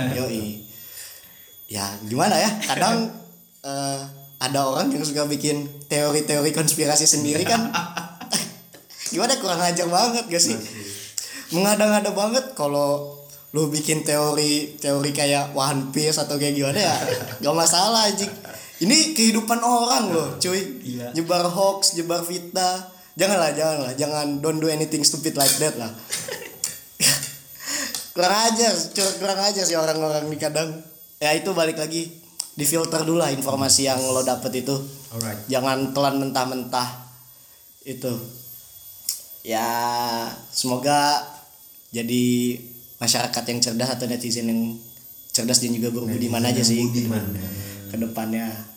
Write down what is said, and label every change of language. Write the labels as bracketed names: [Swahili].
[Indonesian] yoi. Ya gimana ya, kadang ada orang yang suka bikin teori-teori konspirasi sendiri kan. Gimana, kurang ajar banget gak sih? Mengada-ngada banget kalau lu bikin teori-teori kayak One Piece atau kayak gimana ya. Gak masalah anjing. Ini kehidupan orang loh cuy. Gila. Nyebar hoax, nyebar fitnah. Janganlah. Jangan, [English] don't do anything stupid like that lah. [Indonesian] kurang ajar sih orang-orang nih kadang. Ya itu balik lagi, di filter dulu lah informasi yang lo dapet itu. [English] Alright. [Indonesian] Jangan telan mentah-mentah itu. Ya semoga jadi masyarakat yang cerdas atau netizen yang cerdas dan juga berbudiman aja sih kedepannya.